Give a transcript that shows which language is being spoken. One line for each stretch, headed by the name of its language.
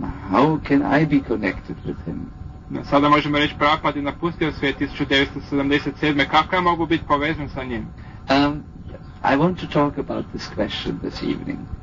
English: How can I be connected with him?
Croatian: Sada možemo reći, Prabhupada je napustio svijet 1977. Kako ja mogu biti povezan sa njim?
English: I want to talk about this question this evening.